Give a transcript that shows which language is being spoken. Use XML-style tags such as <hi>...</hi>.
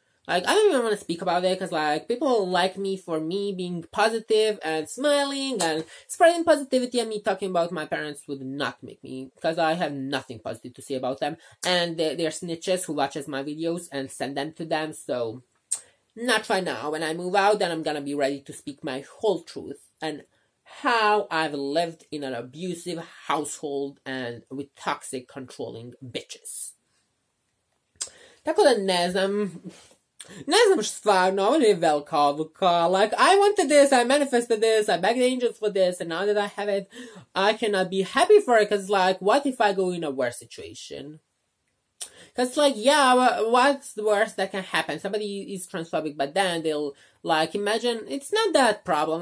<en>like I don't even want to speak about it because like people like me for me being positive and smiling and spreading positivity and me talking about my parents would not make me, because I have nothing positive to say about them and they're snitches who watches my videos and send them to them, so not right now. When I move out, then I'm gonna be ready to speak my whole truth and how I've lived in an abusive household and with toxic controlling bitches.</en> <hr>Tako da ne znam. Ne znam stvarno, ovo je velika odluka.</hr> <en>Like, I wanted this, I manifested this, I begged the angels for this, and now that I have it, I cannot be happy for it, because, like, what if I go in a worse situation? Because, like, yeah, what's the worst that can happen? Somebody is transphobic, but then they'll, like, imagine, it's not that problem.</en>